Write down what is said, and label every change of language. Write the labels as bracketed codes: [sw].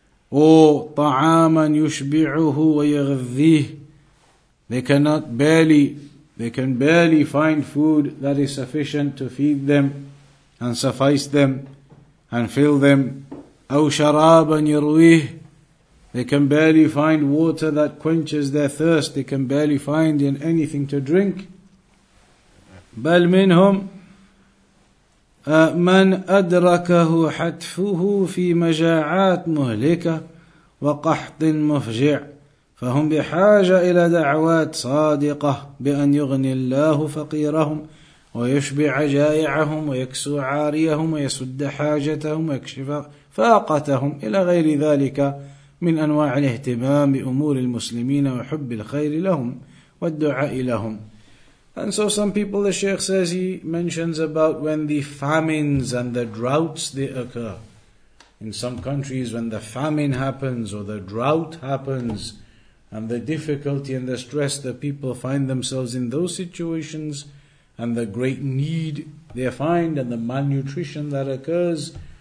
[ar] Or ta'aman yushbi'uhu wa yaghdhih, [en] they can barely find food that is sufficient to feed them and suffice them and fill them. [ar] Aw sharaban yarwih, [en] they can barely find water that quenches their thirst, they can barely find in anything to drink. [ar] Bal minhum من أدركه حتفه في مجاعات مهلكة وقحط مفجع فهم بحاجة إلى دعوات صادقة بأن يغني الله فقيرهم ويشبع جائعهم ويكسو عاريهم ويسد حاجتهم ويكشف فاقتهم إلى غير ذلك من أنواع الاهتمام بأمور المسلمين وحب الخير لهم والدعاء لهم. [en] And so some people, the Sheikh says, he mentions about when the famines and the droughts, they occur. In some countries, when the famine happens or the drought happens, and the difficulty and the stress, the people find themselves in those situations, and the great need they find, and the malnutrition that occurs.